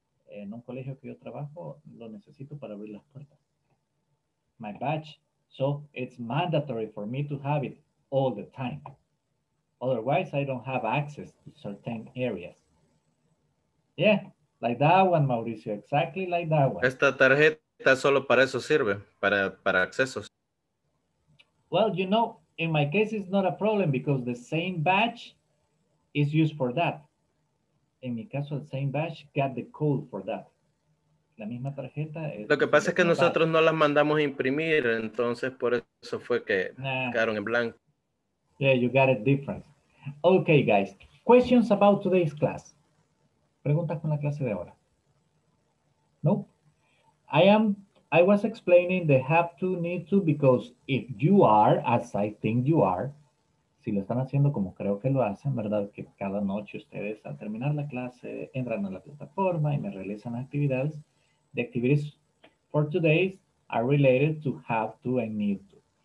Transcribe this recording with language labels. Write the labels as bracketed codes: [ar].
[es] En un colegio que yo trabajo, lo necesito para abrir las puertas. [en] My badge. So it's mandatory for me to have it all the time. Otherwise, I don't have access to certain areas. Yeah, like that one, Mauricio. Exactly like that one. [es] Esta tarjeta solo para eso sirve, para accesos. [en] Well, you know, in my case, it's not a problem because the same badge is used for that. [es] En mi caso, [en] the same badge got the code for that. [es] La misma tarjeta es. Lo que pasa es que nosotros no las mandamos a imprimir, entonces por eso fue que quedaron en blanco. [en] Yeah, you got it different. Okay, guys. Questions about today's class. [es] Preguntas con la clase de ahora. No. [en] I was explaining the have to, need to, because if you are, as I think you are, [es] si lo están haciendo como creo que lo hacen, ¿verdad? Que cada noche ustedes al terminar la clase entran a la plataforma y me realizan las actividades. [en] The activities for today are related to have to and need to.